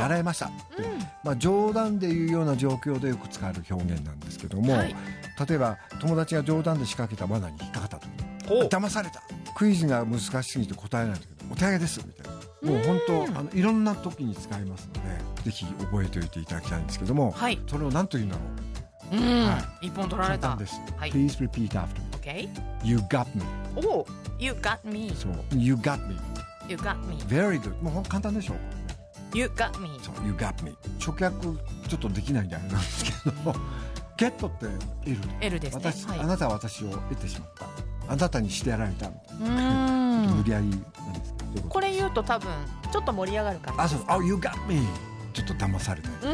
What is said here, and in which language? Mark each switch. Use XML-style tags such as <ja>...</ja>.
<ja>やられました、うん、まあ、冗談で言うような状況でよく使える表現なんですけども、はい、例えば友達が冗談で仕掛けた罠に引っかかったと、騙された、クイズが難しすぎて答えないと、お手上げですみたいな、もう本当いろんな時に使いますので、ぜひ覚えておいていただきたいんですけども、はい、それを何と言うんだろう、はい、一本取られた、簡単です、はい、</ja> <en>Please repeat after me、 okay. You got me、 oh, You got me、</en> <ja>そう、</ja> <en>You got me You got me. Very good.</en> <ja>もう簡単でしょう。</ja> <en>You got me. そう、You got me.</en> <ja>直訳ちょっとできないんであれなんですけど、get って得る。得るですね。私、はい、あなたは私を得てしまった。あなたにしてやられたみたいな。ちょっと無理やりなんですけど。これ言うと多分ちょっと盛り上がるから。あ、そう。</ja> <en>Oh, you got me.</en> <ja>ちょっと騙されて。</ja>